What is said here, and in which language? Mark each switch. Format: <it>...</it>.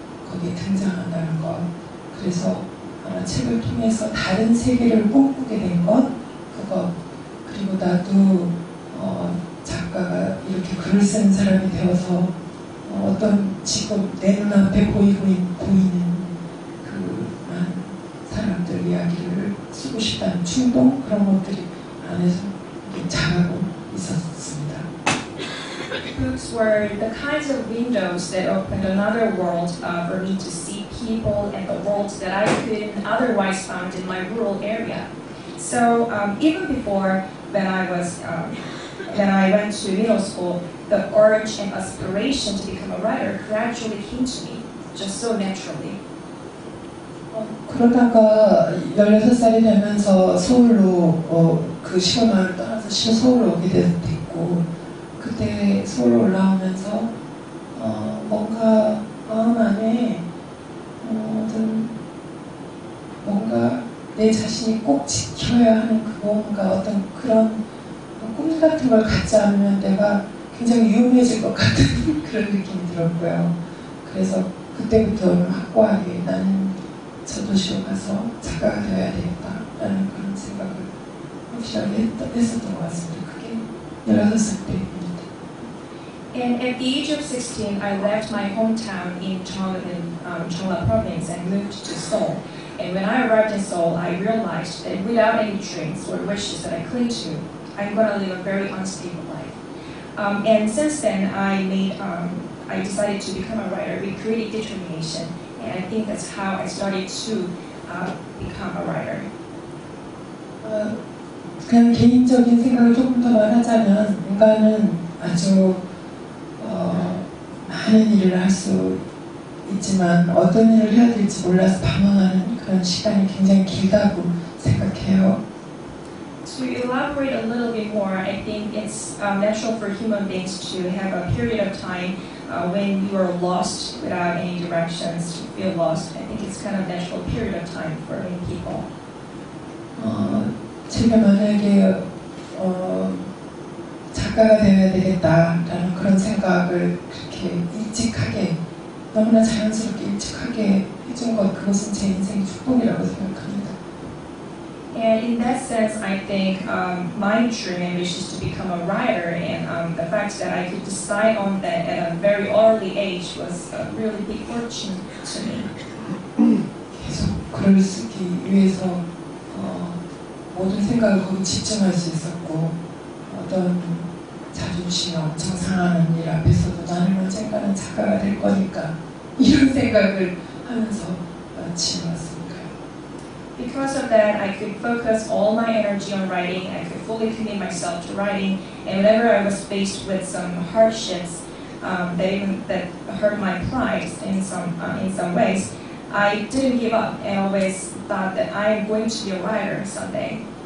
<ko>거기에 등장한다는 것 그래서 아마 책을 통해서 다른 세계를 꿈꾸게 된 것 그것 그리고 나도 작가가 이렇게 글을 쓴 사람이 되어서 어떤 지금 내 눈앞에 보이는 그 사람들 이야기를 쓰고 싶다는 충동 그런 것들이 안에서 자라고 있었습니다.</ko> <en>Books were the kinds of windows that opened another world for me to see people and the world that I couldn't otherwise find in my rural area. So even before when I was when I went to middle school, the urge and aspiration to become a writer gradually came to me, just so naturally.</en> <ko>그러다가 16살이 되면서 서울로 그 시골 마을을 떠나서 서울로 오게 됐고 그때 서울 올라오면서 뭔가 마음 안에 어떤 뭔가 내 자신이 꼭 지켜야 하는 그 뭔가 어떤 그런 꿈 같은 걸 갖지 않으면 내가 굉장히 유명해질 것 같은 그런 느낌이 들었고요. 그래서 그때부터는 확고하게 나는 저 도시로 가서 작가가 되어야 되겠다라는 그런 생각을 시작을 했었던 것 같습니다. 그게 16살 때입니다.</ko> <en>And at the age of 16, I left my hometown in Cholla province and moved to Seoul. And when I arrived in Seoul, I realized that without any dreams or wishes that I cling to, I'm going to live a very unstable life. And since then, I decided to become a writer with great determination. And I think that's how I started to become a writer.</en> <ko>그냥 개인적인 생각을 조금 더 말하자면 인간은 아주 많은 일을 할 수 있지만 어떤 일을 해야 될지 몰라서 방황하는 그런 시간이 굉장히 길다고 생각해요.</ko> <en>To elaborate a little bit more, I think it's natural for human beings to have a period of time when you are lost without any directions, to feel lost. I think it's kind of a natural period of time for many people.</en> <ko>제가 만약에 작가가 되어야 되겠다라는 그런 생각을 그렇게 일찍하게 너무나 자연스럽게 일찍하게 해준 것 그것은 제 인생의 축복이라고 생각합니다.</ko> <en>And in that sense, I think my dream and wish is to become a writer, and the fact that I could decide on that at a very early age was a really big fortune to me.</en> <ko>계속 글을 쓰기 위해서 모든 생각을 거기 집중할 수 있었고 어떤 자존심이 엄청 상하는 일 앞에서도 나는 언젠가는 작가가 될 거니까 이런 생각을 하면서 지났습니다.</ko> <en>Because of that, I could focus all my energy on writing. I could fully commit myself to writing. And whenever I was faced with some hardships that hurt my pride in some ways, I didn't give up and always thought that I am going to be a writer someday.</en>